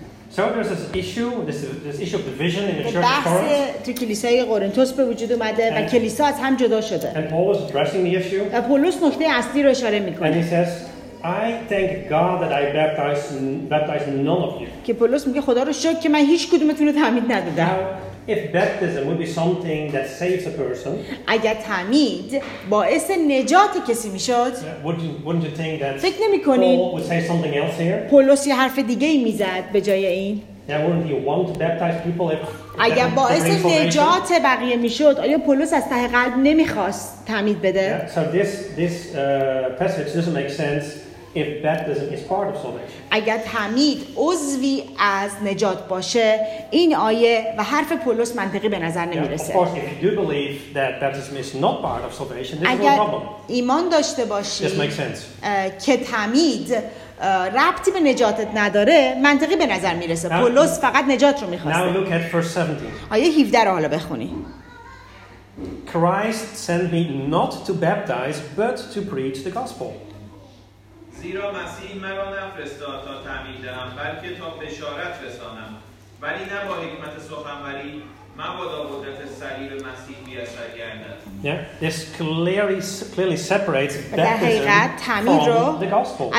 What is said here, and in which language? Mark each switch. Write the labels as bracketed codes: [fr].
[en] So there's this issue of division in the church of Corinth. [fa] تو کلیسای قرنتوس به وجود اومده و کلیسا از هم جدا شده. [en] And Paul is addressing the issue. [fa] و پولس نکته اصلی رو اشاره میکنه. [en] And he says, I thank God that I baptized none of you. [fa] که پولس میگه خدا رو شکر که من هیچ کدومتون رو تعمید ندادم. [en] If baptism would be something that saves a person, [fa] اگر تعمید باعث نجات کسی میشد, [en] wouldn't you think that [fa] فکر نمی‌کنید [en] Paul would say something else here? [fa] پولس یه حرف دیگه‌ای می‌زد به جای این. [en] Yeah, wouldn't you want to baptize people if [fa] اگر باعث نجات بقیه میشد آیا پولس از ته قلب نمی‌خواست تعمید بده؟ [en] Yeah, so this passage doesn't make sense. If baptism is part of salvation. [fa] اگر تعمید عضوی از نجات باشه این آیه و حرف پولس منطقی به نظر نمیرسه. [en] Yeah, of course, if you do believe that baptism is not part of salvation, this is no problem. [fa] اگر ایمان داشته باشی [en] this makes sense. [fa] که تعمید ربطی به نجاتت نداره منطقی به نظر میرسه. پولس فقط نجات رو میخواسته. [en] Now look at verse 17. [fa] آیه 17 رو حالا بخونی. [en] Christ sent me not to baptize but to preach the gospel. [fa] زیرا مسیح مرا نفرستاد تا تعمید دهم بلکه تا بشارت رسانم، ولی نه با حکمت سخنوری، مبادا قدرت سریر مسیح بیاثر گردد. [en] This clearly separates baptism from the gospel.